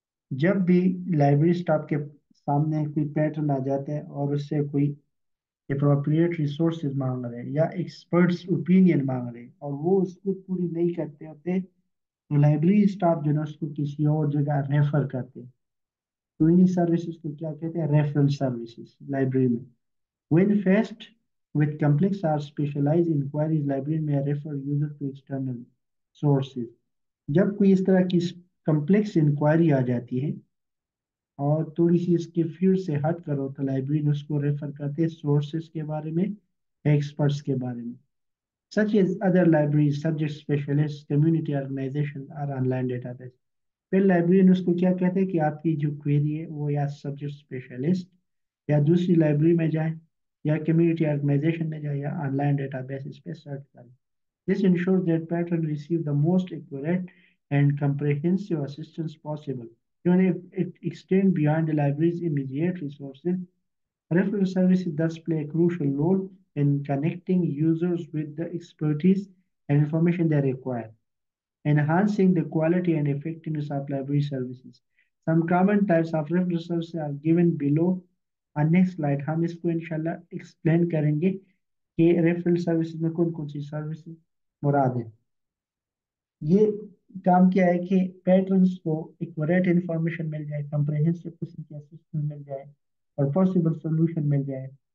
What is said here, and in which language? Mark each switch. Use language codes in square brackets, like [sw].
[ur] جب بھی library staff کے سامنے کوئی پیٹرن آ جاتے ہیں اور اس سے کوئی اپروپریٹ ریسورسز مانگ رہے ہیں یا ایکسپرٹس اوپینین مانگ رہے ہیں اور وہ اس کو پوری نہیں کرتے ہوتے، تو لائبریری اسٹاف جو ہے اس کو کسی اور جگہ ریفر کرتے ہیں. تو انہیں سروسز کو کیا کہتے ہیں؟ Referral services. لائبریری میں [en] When faced with complex or specialized inquiries, librarian may refer user to external sources. [ur] جب کوئی اس طرح کی کمپلیکس انکوائری آ جاتی ہے اور تھوڑی سی اس کے فیلڈ سے ہٹ کرو، تو لائبریرین اس کو ریفر کرتے ہیں سورسز کے بارے میں، ایکسپرٹس کے بارے میں، [en] such as other libraries, [ur] subject specialist, community organization اور آن لائن ڈیٹا بیس. پھر لائبریرین اس کو کیا کہتے ہیں؟ کہ آپ کی جو کویری ہے وہ یا سبجیکٹ اسپیشلسٹ یا دوسری لائبریری میں جائیں، یا کمیونٹی آرگنائزیشن میں جائیں، یا آن لائن ڈیٹا بیس پہ سرچ کریں. [en] This ensures that patron receive the most accurate and comprehensive assistance possible. یعنی it extend beyond the library's immediate resources. Referral services thus play a crucial role in connecting users with the expertise and information they require, enhancing the quality and effectiveness of library services. Some common types of referral services are given below. [ur] Next slide, ہم اس کو انشاءاللہ explain کریں گے کہ referral services میں کون کون سی services مراد ہے. یہ کام کیا ہے کہ پیٹرنس کو ایکوریٹ انفارمیشن مل جائے، کمپریہنسو قسم کی اسسٹنس مل جائے اور پاسبل سولوشن مل جائے.